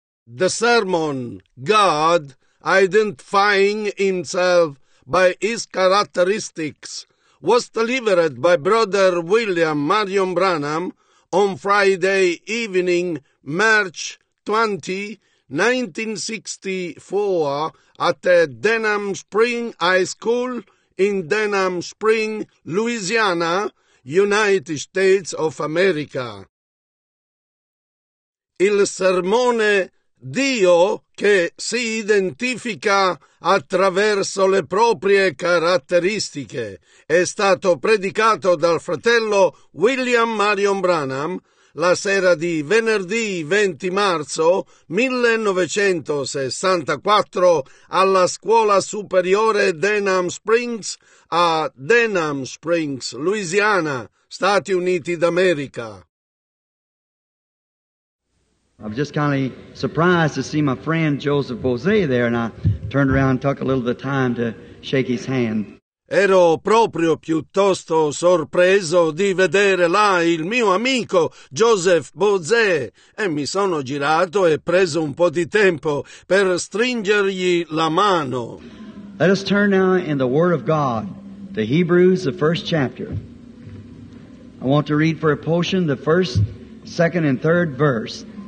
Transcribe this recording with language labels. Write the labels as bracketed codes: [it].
[en] the sermon, God identifying himself by his characteristics, was delivered by Brother William Marion Branham on Friday evening, March 20, 1964, at the Denham Spring High School in Denham Spring, Louisiana, United States of America. [it] Il sermone Dio che si identifica attraverso le proprie caratteristiche è stato predicato dal fratello William Marion Branham la sera di venerdì 20 marzo 1964 alla Scuola Superiore Denham Springs a Denham Springs, Louisiana, Stati Uniti d'America. [en] I was just kind of surprised to see my friend Joseph Bose there, and I turned around and took a little bit of time to shake his hand. [it] Ero proprio piuttosto sorpreso di vedere là il mio amico Joseph Bose, e mi sono girato e preso un po' di tempo per stringergli la mano. [en] Let us turn now in the Word of God to Hebrews, the first chapter. I want to read for a portion the first, second, and third verse.